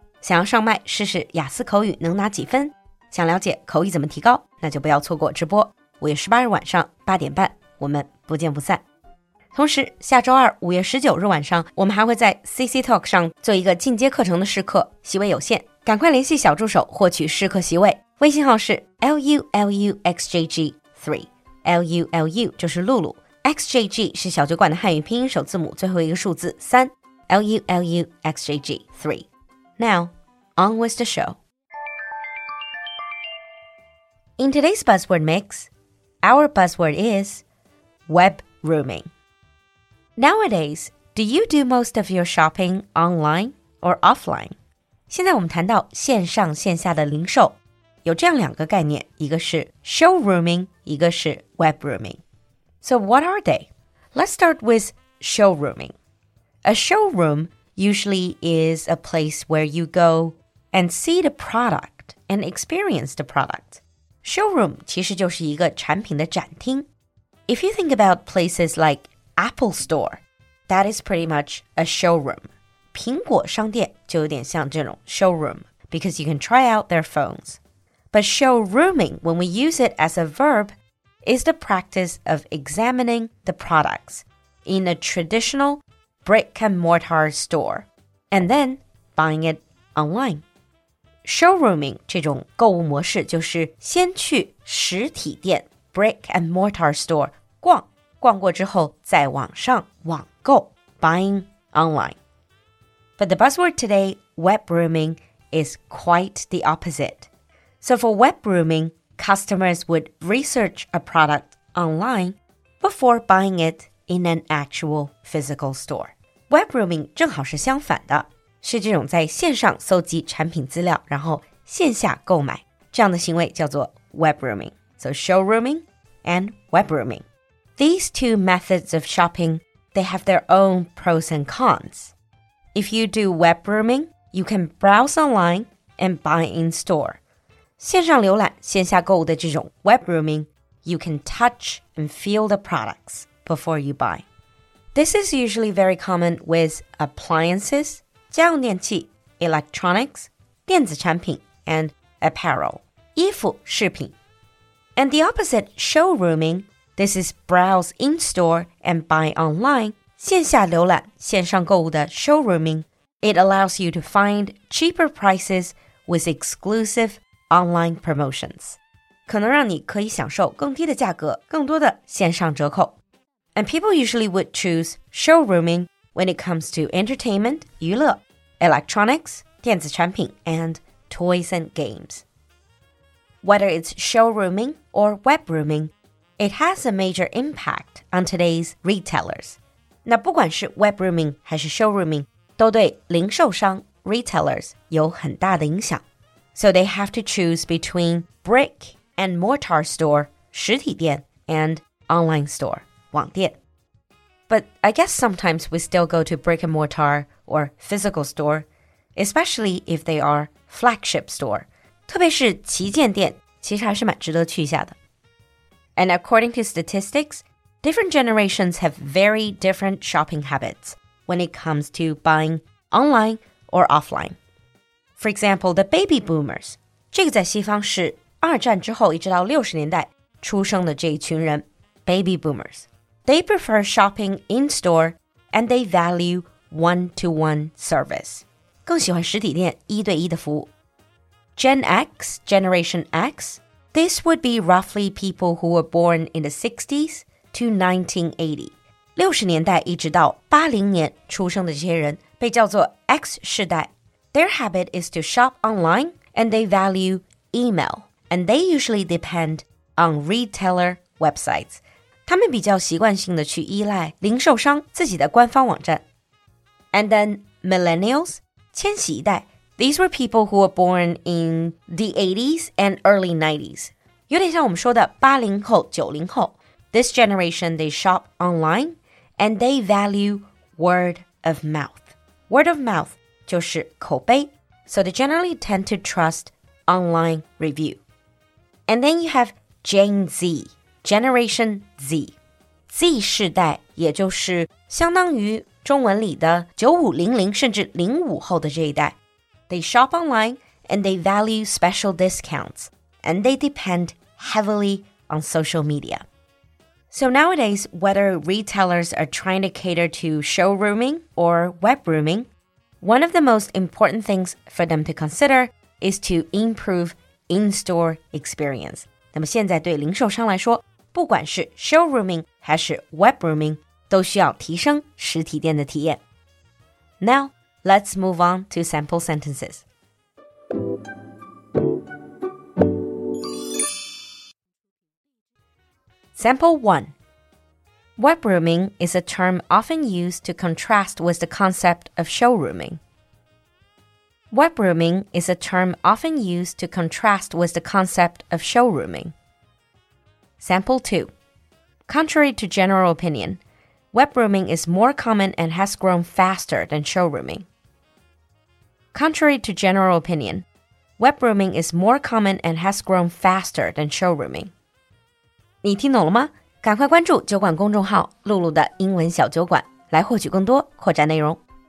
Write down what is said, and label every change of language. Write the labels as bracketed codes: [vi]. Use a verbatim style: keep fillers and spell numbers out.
[zh] 想要上麦试试雅思口语能拿几分？想了解口语怎么提高？那就不要错过直播。五月十八日晚上八点半，我们不见不散。同时，下周二五月十九日晚上，我们还会在 C C Talk 上做一个进阶课程的试课，席位有限，赶快联系小助手获取试课席位。微信号是 L U L U X J G 三。 L U L U 就是露露 ，X J G 是小酒馆的汉语拼音首字母最后一个数字三 L U L U X J G 三。 [en] Now, on with the show. In today's buzzword mix, our buzzword is web rooming. Nowadays, do you do most of your shopping online or offline? [zh] 现在我们谈到线上线下的零售。有这样两个概念，一个是 showrooming， 一个是 webrooming. [en] So what are they? Let's start with showrooming. A showroom usually is a place where you go and see the product and experience the product. [zh] Showroom 其实就是一个产品的展厅。 [en] If you think about places like Apple Store, that is pretty much a showroom. [zh] 苹果商店就有点像这种 [en] showroom because you can try out their phones. But showrooming, when we use it as a verb, is the practice of examining the products in a traditional brick-and-mortar store and then buying it online. [zh] Showrooming 这种购物模式就是先去实体店 brick-and-mortar store 逛，逛过之后在网上网购 [en] buying online. But the buzzword today, webrooming, is quite the opposite. So for webrooming, customers would research a product online before buying it in an actual physical store. [zh] Webrooming 正好是相反的，是这种在线上搜集产品资料，然后线下购买，这样的行为叫做 webrooming. [en] So showrooming and webrooming. These two methods of shopping, they have their own pros and cons. If you do webrooming, you can browse online and buy in store. [zh] 线上浏览线下购物的这种 [en] webrooming, you can touch and feel the products before you buy. This is usually very common with appliances, 家用电器 electronics, 电子产品 and apparel, 衣服饰品. And the opposite, showrooming, this is browse in-store and buy online. [zh] 线下浏览线上购物的 [en] showrooming, it allows you to find cheaper prices with exclusive online promotions. [zh] 可能让你可以享受更低的价格，更多的线上折扣。 [en] And people usually would choose showrooming when it comes to entertainment, 娱乐 electronics, 电子产品 and toys and games. Whether it's showrooming or webrooming, it has a major impact on today's retailers. [zh] 那不管是 webrooming 还是 showrooming, 都对零售商 retailers 有很大的影响。 [en] So they have to choose between brick and mortar store, 实体店 and online store, 网店. But I guess sometimes we still go to brick and mortar or physical store, especially if they are flagship store. [zh] 特别是旗舰店，其实还是蛮值得去一下的. [en] And according to statistics, different generations have very different shopping habits when it comes to buying online or offline. For example, the baby boomers, [zh] 这个在西方是二战之后一直到六十年代出生的这一群人 baby boomers. [en] They prefer shopping in-store and they value one-to-one service. [zh] 更喜欢实体店一对一的服务。 [en] Gen X, Generation X, this would be roughly people who were born in the sixties to nineteen eighty. [zh] 六十年代一直到八零年出生的这些人被叫做 X 世代。 [en] Their habit is to shop online and they value email, and they usually depend on retailer websites. [zh] 他们比较习惯性的去依赖零售商自己的官方网站。 [en] And then millennials, 千禧一代 these were people who were born in the eighties and early nineties. [zh] 有点像我们说的八零后 ,九零 后 [en] This generation, they shop online and they value word of mouth. Word of mouth. [zh] 就是口碑 [en] So they generally tend to trust online review. And then you have Gen Z, Generation Z. [zh] Z 世代，也就是相当于中文里的九五零零甚至零五后的这一代。 [en] They shop online and they value special discounts, and they depend heavily on social media. So nowadays, whether retailers are trying to cater to showrooming or web rooming, one of the most important things for them to consider is to improve in-store experience. [zh] 那么现在对零售商来说，不管是 showrooming 还是 web rooming, 都需要提升实体店的体验。 [en] Now, let's move on to sample sentences. Sample one. Web rooming is a term often used to contrast with the concept of showrooming. Web rooming is a term often used to contrast with the concept of showrooming. Sample two. Contrary to general opinion, web rooming is more common and has grown faster than showrooming. Contrary to general opinion, web rooming is more common and has grown faster than showrooming. [zh] 你听懂了吗？赶快关注酒馆公众号“露露的英文小酒馆”来获取更多扩展内容。